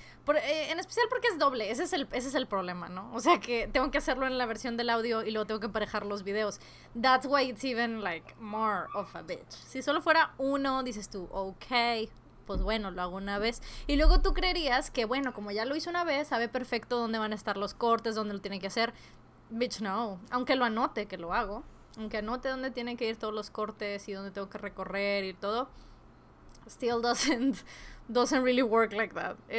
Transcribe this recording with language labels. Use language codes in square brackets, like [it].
[es] En especial porque es doble, ese es el problema, ¿no? O sea, que tengo que hacerlo en la versión del audio y luego tengo que emparejar los videos. [en] That's why it's even, like, more of a bitch. [es] Si solo fuera uno, dices tú, ok, pues bueno, lo hago una vez. Y luego tú creerías que, bueno, como ya lo hizo una vez, sabe perfecto dónde van a estar los cortes, dónde lo tiene que hacer. Bitch, no. Aunque lo anote que lo hago, aunque anote dónde tienen que ir todos los cortes y dónde tengo que recorrer y todo, [en] still doesn't really work like that.